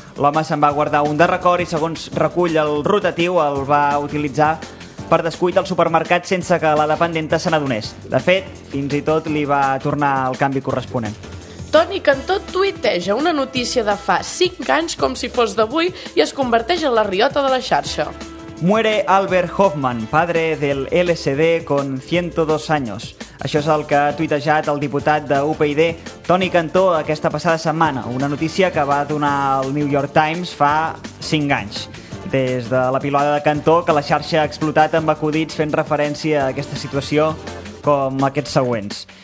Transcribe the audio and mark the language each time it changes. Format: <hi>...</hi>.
<ca>L'home se'n va guardar un de record i, segons recull el rotatiu, el va utilitzar per descuit al supermercat sense que la dependenta se n'adonés. De fet, fins i tot li va tornar el canvi corresponent. Toni Cantó tuiteja una notícia de fa 5 anys com si fos d'avui i es converteix en la riota de la xarxa.</ca> <es>Muere Albert Hofmann, padre del LSD con 102 años.</es> <ca>Això és el que ha tuitejat el diputat de UPyD, Toni Cantó, aquesta passada setmana. Una notícia que va donar el New York Times fa 5 anys. Des de la pilota de Cantó, que la xarxa ha explotat amb acudits fent referència a aquesta situació com aquests següents.</ca>